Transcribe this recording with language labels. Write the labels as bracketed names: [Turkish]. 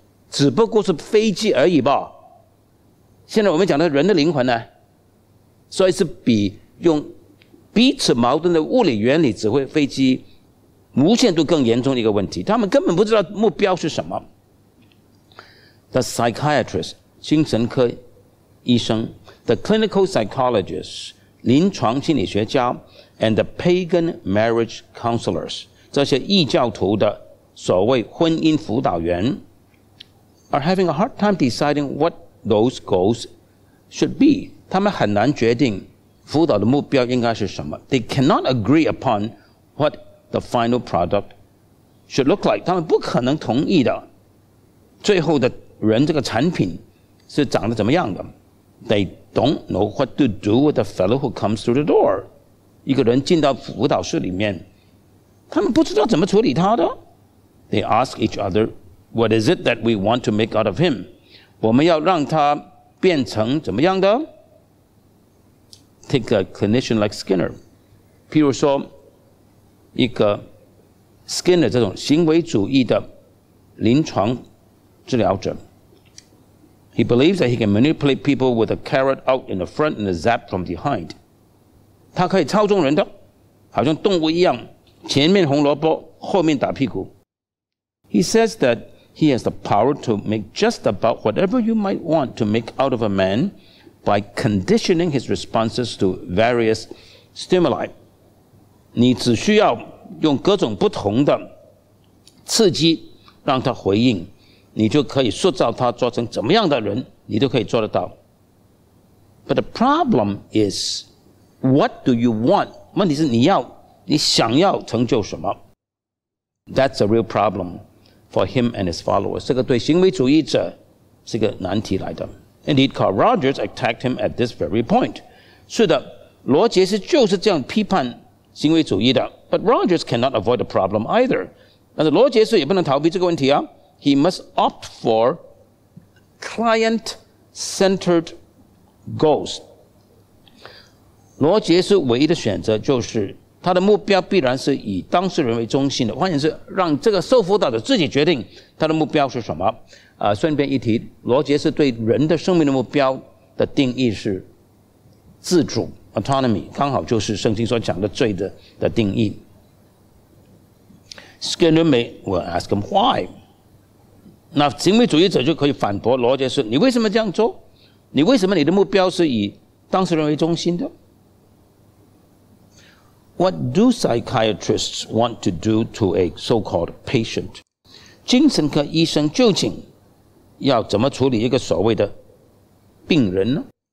[Chinese] 只不过是飞机而已吧。现在我们讲的人的灵魂呢，所以是比用彼此矛盾的物理原理指挥飞机无限度更严重的一个问题，他们根本不知道目标是什么。 [English] The psychiatrist, [Chinese] 精神科医生 [English] ,the clinical psychologist, [Chinese] 临床心理学家 [English] ,and the pagan marriage counselors, [Chinese] 这些异教徒的所谓婚姻辅导员 [English] ,are having a hard time deciding what those goals should be. [Chinese] 他们很难决定辅导的目标应该是什么。 [English] They cannot agree upon whatThe final product should look like. [Chinese] 他们不可能同意的最后的人这个产品是长得怎么样的。 [English] They don't know what to do with the fellow who comes through the door. [Chinese] 一个人进到辅导室里面，他们不知道怎么处理他的。 [English] They ask each other, what is it that we want to make out of him? [Chinese] 我们要让他变成怎么样的？ [English] Take a clinician like Skinner. [Chinese] 譬如说一个 Skinner 这种行为主义的临床治疗者， [English] He believes that he can manipulate people with a carrot out in the front and a zap from behind. [Chinese] 他可以操纵人的，好像动物一样，前面红萝卜，后面打屁股。 [English] He says that he has the power to make just about whatever you might want to make out of a man by conditioning his responses to various stimuli. [Chinese] 你只需要用各种不同的刺激让他回应，你就可以塑造他做成怎么样的人，你都可以做得到。 [English] But the problem is, what do you want? [Chinese] 问题是你想要成就什么？ [English] That's a real problem for him and his followers. [Chinese] 这个对行为主义者是个难题来的。 [English] Indeed, Carl Rogers attacked him at this very point. [Chinese] 是的，罗杰斯就是这样批判行为主义的。 [English] But Rogers cannot avoid the problem either. [Chinese] 但是罗杰斯也不能逃避这个问题啊。 [English] He must opt for client-centered goals. [Chinese] 罗杰斯唯一的选择就是他的目标必然是以当事人为中心的，换言之，让这个受辅导的自己决定他的目标是什么。顺便一提，罗杰斯对人的生命的目标的定义是自主Autonomy, 刚好就是圣经所讲的罪 的定义。 [English] Skinner may well ask him why. [Chinese] 那行为主义者就可以反驳罗杰斯，你为什么这样做？你为什么你的目标是以当事人为中心的？ [English] What do psychiatrists want to do to a so-called patient? [Chinese] 精神科医生究竟要怎么处理一个所谓的病人呢？